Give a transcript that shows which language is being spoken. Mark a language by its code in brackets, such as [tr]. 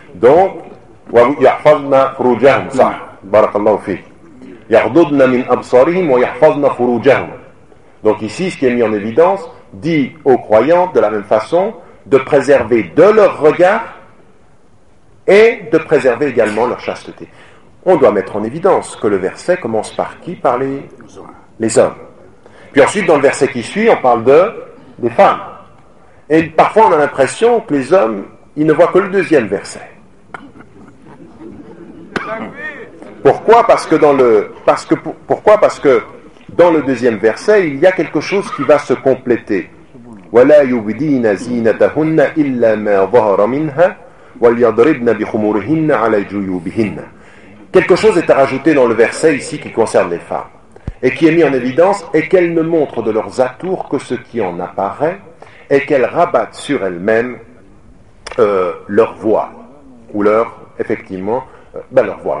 [ar] Donc, يَحْفَظْنَ فُرُوجَهُمْ. Ça, بارك الله فيك. يَغْضُضْنَ مِنْ أَبْصَارِهِمْ وَيَحْفَظْنَ فُرُوجَهُمْ. [fr] Donc ici, ce qui est mis en évidence, dit aux croyants de la même façon, de préserver de leur regard et de préserver également leur chasteté. On doit mettre en évidence que le verset commence par qui? Par les hommes. Puis ensuite, dans le verset qui suit, on parle des femmes. Et parfois, on a l'impression que les hommes, ils ne voient que le deuxième verset. Pourquoi? Parce que dans le deuxième verset, il y a quelque chose qui va se compléter. [ar] ولا يبدين زينتهن إلا ما ظهر منها وليضربن بخمورهن على جيوبهن. [fr] Quelque chose est à rajouter dans le verset ici qui concerne les femmes et qui est mis en évidence, et qu'elles ne montrent de leurs atours que ce qui en apparaît, et qu'elles rabattent sur elles-mêmes leur voile, ou leur, effectivement, leur voile.